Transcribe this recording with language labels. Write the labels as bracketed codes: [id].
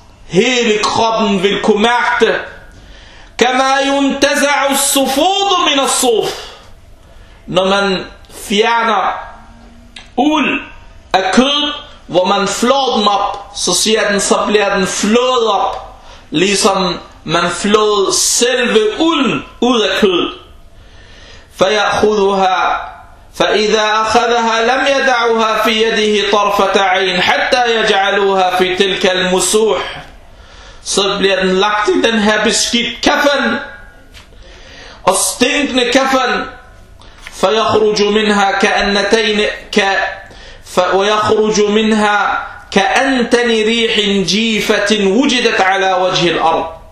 [da] Hele kroppen vil kunne mærke det. [ar] Kama yuntaza'u as-sufudu min as-suf, [da] når man fjerner ul af kød, hvor man flår den op, så siger den, så bliver den flået op, ligesom man flåede selve ulden ud af kød. [ar] Fayakhudhuha, فإذا أخذها لم يدعها في يده طرفة عين حتى يجعلوها في تلك المسوح. [da] Så bliver den lagt i den her beskidt kaffen og stinkende kaffen. [ar] فيخرج منها كأنتين ك ويخرج منها كأنتن ريح جيفة وجدت على وجه الأرض.